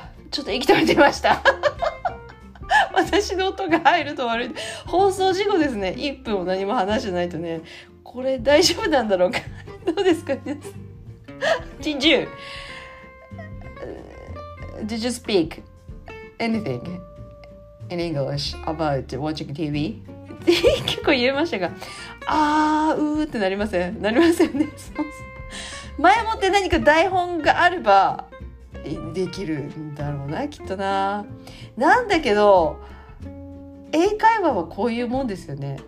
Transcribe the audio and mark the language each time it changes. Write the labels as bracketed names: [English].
[Japanese] ちょっと息止めてました私の音が入ると悪い放送事故ですね。 1分も何も話してないとね、これ大丈夫なんだろうかどうですか皆さん。 [English] Did you speak anything in English about watching TV? [Japanese] 結構言えましたが、あーうーってなりません、なりませんね。前もって何か台本があればできるんだろうなきっとな。なんだけど英会話はこういうもんですよね。